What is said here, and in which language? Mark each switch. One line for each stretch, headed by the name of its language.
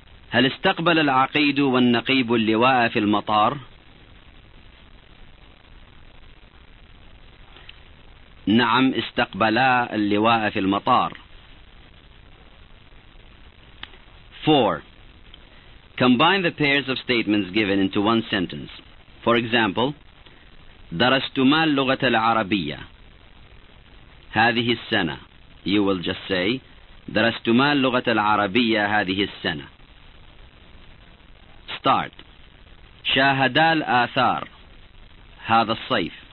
Arabic: هل استقبل العقيد والنقيب اللواء في المطار؟ نعم، استقبلا اللواء في المطار. 4.
English: Combine the pairs of statements given into one sentence. For example,
Arabic: درستما اللغة العربية هذه السنة.
English: You will just say
Arabic: درستما اللغة العربية هذه السنة.
English: Start.
Arabic: شاهدا الآثار هذا الصيف.